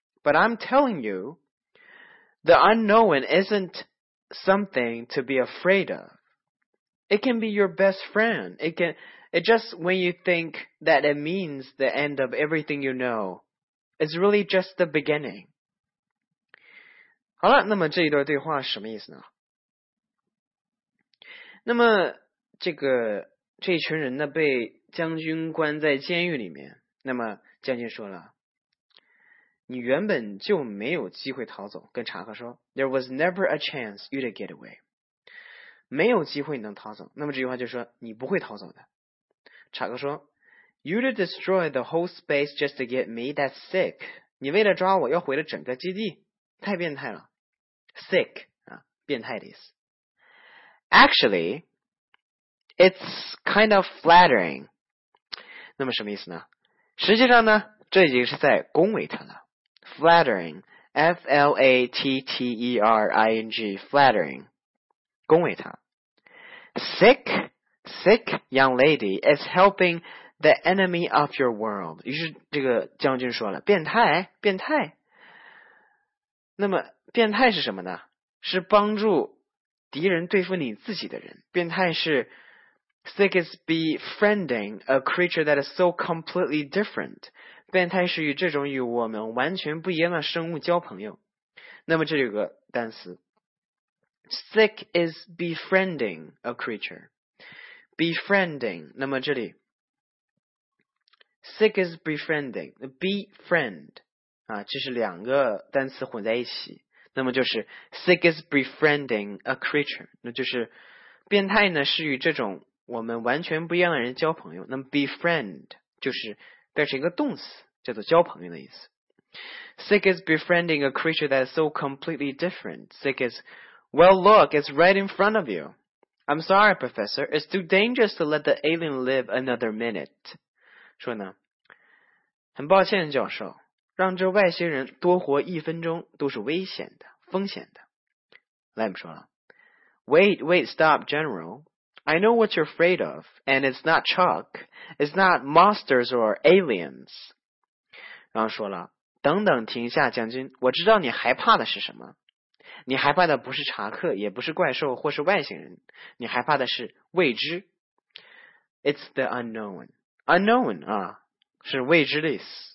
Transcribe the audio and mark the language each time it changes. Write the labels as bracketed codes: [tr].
[en] But I'm telling you, the unknown isn't something to be afraid of. It can be your best friend. It just when you think that it means the end of everything you know, it's really just the beginning. [zh] 好了，那么这一段对话什么意思呢？那么这一群人呢，被将军关在监狱里面。那么将军说了。你原本就没有机会逃走，跟查克说 [en] There was never a chance you'd get away. [zh] 没有机会你能逃走，那么这句话就说你不会逃走的。查克说 [en] You'd destroy the whole space just to get me, that's sick. [zh] 你为了抓我要毁了整个基地，太变态了。 Sick, 啊，变态的意思。 [en] Actually, it's kind of flattering. [zh] 那么什么意思呢？实际上呢，这已经是在恭维他了。 [en] Flattering, F-L-A-T-T-E-R-I-N-G, flattering, [zh] 恭维他。 [en] sick young lady is helping the enemy of your world. [zh] 于是这个将军说了，变态。那么变态是什么呢？是帮助敌人对付你自己的人。变态是 [en] sick is befriending a creature that is so completely different. [zh] 变态是与这种与我们完全不一样的生物交朋友。那么这有个单词。 [en] Sick is befriending a creature. Befriending. [zh] 那么这里 [en] Sick is befriending. Befriend. [zh] 啊，这是两个单词混在一起，那么就是 [en] sick is befriending a creature， [zh] 那就是变态呢是与这种我们完全不一样的人交朋友。那么 befriend 就是变成一个动词，叫做交朋友的意思。 [en] sick is befriending a creature that is so completely different. Sick is, well look, it's right in front of you. I'm sorry professor, it's too dangerous to let the alien live another minute. [zh] 说呢，很抱歉教授，让这外星人多活一分钟都是危险的，风险的。 [en] Lamb [zh] 说了， [en] Wait, stop, General. I know what you're afraid of, and it's not Chuck. It's not monsters or aliens. [zh] 然后说了，等等停下，将军，我知道你害怕的是什么。你害怕的不是查克，也不是怪兽或是外星人，你害怕的是未知。 [en] It's the unknown. Unknown, [zh] 啊，是未知的意思。